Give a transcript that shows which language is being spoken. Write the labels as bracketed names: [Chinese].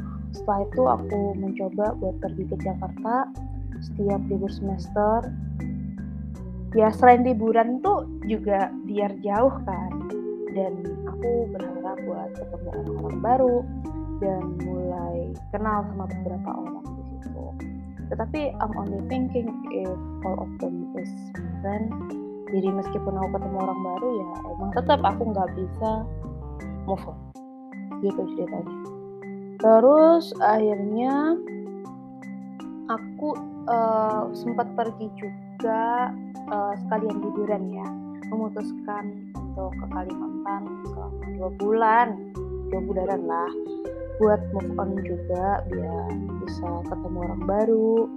[Indonesian] Setelah itu aku mencoba buat pergi ke Jakarta setiap libur semester. Ya selain liburan tuh juga biar jauh kan. Dan aku berharap buat ketemu orang-orang baru dan mulai kenal sama beberapa orang di situ. Tetapi [English] I'm only thinking if all of them is friend. [Indonesian] Jadi meskipun aku ketemu orang baru ya emang tetap aku nggak bisa move on. Gitu ceritanya. Terus akhirnya aku sempat pergi juga sekalian liburan ya, memutuskan untuk ke Kalimantan selama 2 bulanan lah buat move on juga biar bisa ketemu orang baru.